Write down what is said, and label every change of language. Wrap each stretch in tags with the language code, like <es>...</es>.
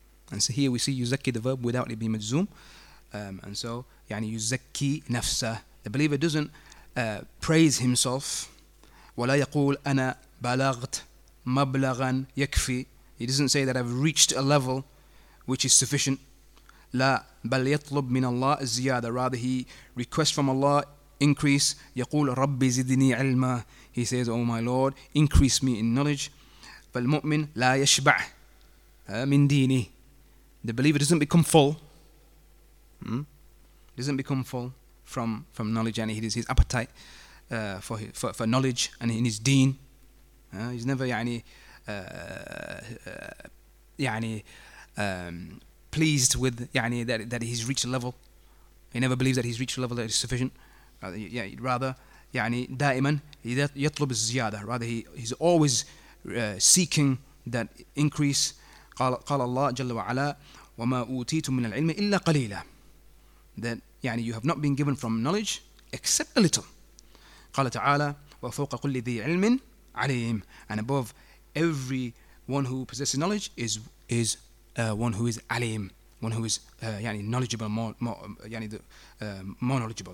<en>And so here we see يُزَكِّي the verb without it being مجزوم. And so, يعني</en> <ar>يُزَكِّي نَفْسَهُ.</ar> <en>The believer doesn't praise himself.</en> <ar>وَلَا يَقُولْ أَنَا بَلَغْتْ مَبْلَغًا يَكْفِي.</ar> <en>He doesn't say that I've reached a level which is sufficient.</en> <ar>لا بل يطلب من الله الزيادة.</ar> <en>Rather, he requests from Allah increase.</en> <ar>يقول ربي زدني علما.</ar> <en>He says, oh my Lord, increase me in knowledge.</en> <ar>فالمؤمن لا يشبع من ديني.</ar> <en>The believer doesn't become full. Doesn't become full from knowledge. And it is his appetite for knowledge and in his deen. He's never يعني pleased with يعني that he's reached a level. He never believes that he's reached a level that is sufficient. Rather</en> <ar>يعني دائما يطلب الزيادة.</ar> <en>Rather he's always seeking that increase.</en> <ar>قال الله جل وعلا وما أوتيتم من العلم إلا قليلا.</ar> <en>That يعني you have not been given from knowledge except a little.</en> <ar>قال تعالى وفوق كل ذي علم عليم.</ar> <en>And above every one who possesses knowledge is one who is alim, one who is يعني knowledgeable, more يعني more knowledgeable.</en>